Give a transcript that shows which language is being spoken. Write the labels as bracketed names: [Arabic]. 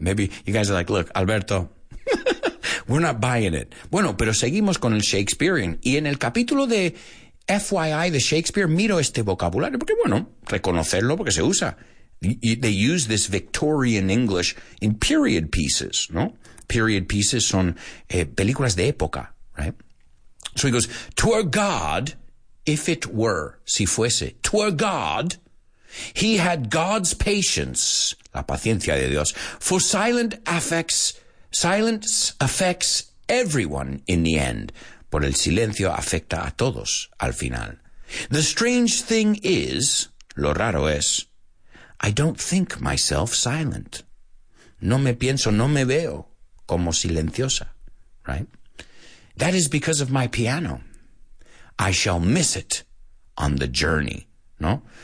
[English] Maybe you guys are like, look, Alberto, we're not buying it. [Spanish] Bueno, pero seguimos con el Shakespearean. Y en el capítulo de FYI de Shakespeare, miro este vocabulario, porque bueno, reconocerlo porque se usa. [English] They use this Victorian English in period pieces, ¿no? [Spanish] Period pieces son películas de época, right? [English] So he goes, "Twere God, if it were, [Spanish] si fuese, [English] twere God, he had God's patience, [Spanish] la paciencia de Dios, [English] for silence affects everyone in the end." [Spanish] Por el silencio afecta a todos al final. [English] "The strange thing is," [Spanish] lo raro es, [English] "I don't think myself silent." [Spanish] No me pienso, no me veo como silenciosa, right? [English] "That is because of my piano. I shall miss it on the journey," ¿no?